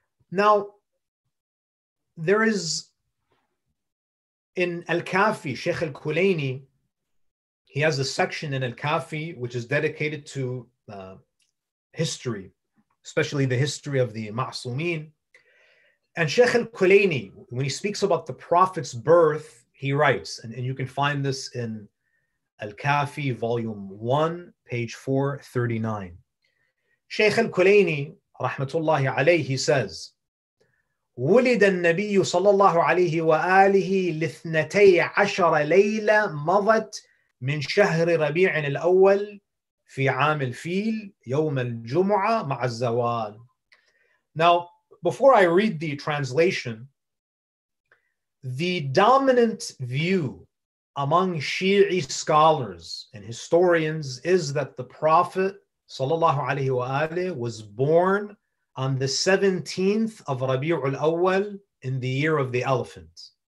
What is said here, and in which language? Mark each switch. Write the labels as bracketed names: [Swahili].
[English] Now, there is in Al-Kafi, Sheikh Al-Kulaini, he has a section in Al-Kafi which is dedicated to history, especially the history of the Ma'sumin. And Sheikh Al-Kulaini, when he speaks about the Prophet's birth, he writes, and you can find this in Al-Kafi, volume 1, page 439. Sheikh Al-Kulaini, rahmatullahi alayhi, he says, [Arabic] ولد النبي صلى الله عليه وآله لاثنتي عشر ليلة مضت من شهر ربيع الأول في عام الفيل يوم الجمعة مع الزوال. [English] Now, before I read the translation, the dominant view among Shi'i scholars and historians is that the Prophet [Arabic] صلى الله عليه وآله [English] was born on the 17th of Rabi'ul Awwal in the year of the elephant.